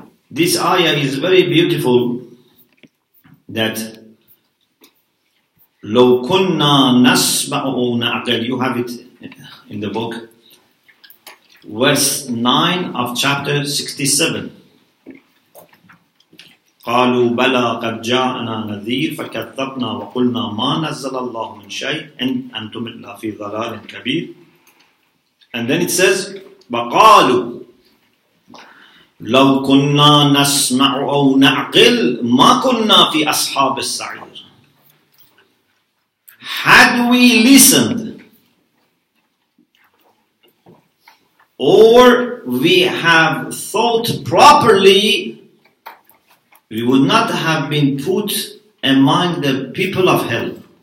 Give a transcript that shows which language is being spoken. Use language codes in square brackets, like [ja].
[en] This ayah is very beautiful, that [ar] لو كنا نسمع أو نعقل. [en] You have it in the book, verse 9 of chapter 67. [ar] قالوا بلى قد جاءنا نذير فكذبنا وقلنا ما نزل الله من شيء إن أنتم إلا في ضلال كبير. [en] And then it says, [ar] بقالوا لو كنا نسمع أو نعقل ما كنا في أصحاب السعير. [en] Had we listened or we have thought properly, we would not have been put among the people of hell.